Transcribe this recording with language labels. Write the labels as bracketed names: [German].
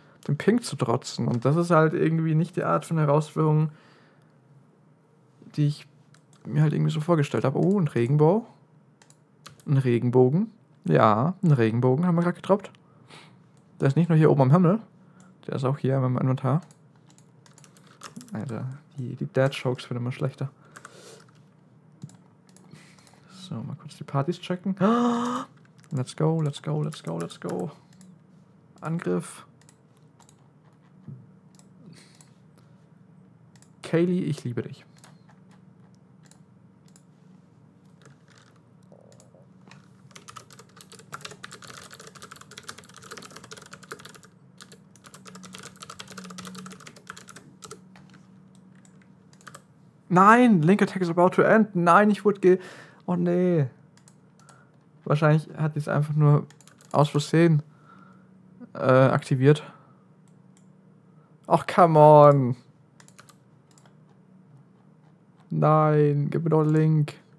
[German] dem Ping zu trotzen. Und das ist halt irgendwie nicht die Art von Herausforderung, die ich mir halt irgendwie so vorgestellt habe. Oh, ein Regenbau. Ein Regenbogen. Ja, ein Regenbogen haben wir gerade getroppt. Der ist nicht nur hier oben am Himmel. Der ist auch hier in meinem Inventar. Alter, die Dad-Jokes werden immer schlechter. So, mal kurz die Partys checken. [English] Let's go, let's go, let's go, let's go. Angriff. [German] Kaylee, ich liebe dich. [English] Nein, Link Attack is about to end. [German] Nein, ich wurde Oh nee. Wahrscheinlich hat die es einfach nur aus Versehen aktiviert. [English] Ach, come on. [German] Nein, gib mir doch einen Link.